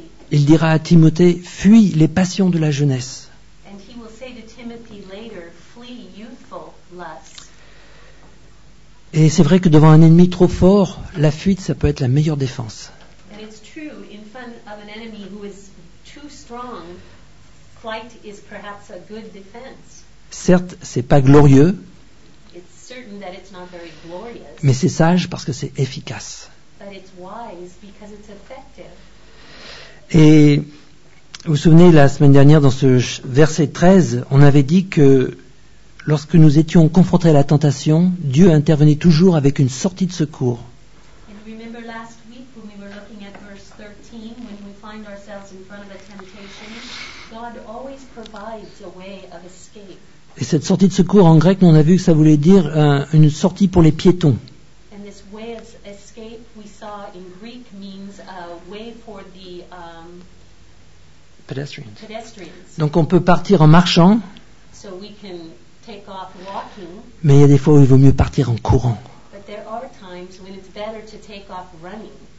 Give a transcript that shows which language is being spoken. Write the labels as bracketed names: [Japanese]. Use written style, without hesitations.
[French] Il dira à Timothée, fuis les passions de la jeunesse. [English] And he will say to Timothy later, flee youthful lust. [French] Et c'est vrai que devant un ennemi trop fort, la fuite, ça peut être la meilleure défense. [English] And it's true, in front of an enemy who is too strong, flight is perhaps a good defense. [French] Certes, c'est pas glorieux. [English] That it's not very glorious, [French] mais c'est sage parce que c'est efficace. [English] But it's wise because it's effective. [French] Et vous vous souvenez, la semaine dernière, dans ce verset 13, on avait dit que lorsque nous étions confrontés à la tentation, Dieu intervenait toujours avec une sortie de secours. [English] And remember last week when we were looking at verse 13, when we find ourselves in front of a temptation, God always provides a way of escape. [French] Et cette sortie de secours en grec, on a vu que ça voulait dire une sortie pour les piétons. [English] And this way of escape we saw in Greek means a way for the pedestrians. [French] Donc on peut partir en marchant. [English] So we can take off walking. [French] Mais il y a des fois où il vaut mieux partir en courant. [English] But there are times when it's better to take off running.